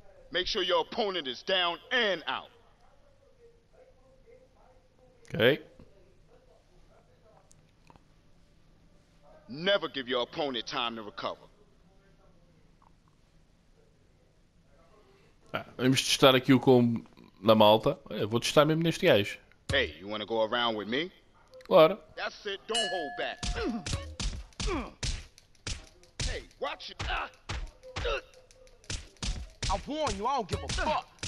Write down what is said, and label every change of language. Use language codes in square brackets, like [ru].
[en] Make sure your opponent is down and out. Okay. Never give your opponent time to recover. [pt] Ah, vamos testar aqui o combo na malta. Eu vou testar mesmo neste gajo. [en] Hey, you wanna go around with me? Claro. That's it. Don't hold back. Hey, watch it. I warn you, I don't give a fuck.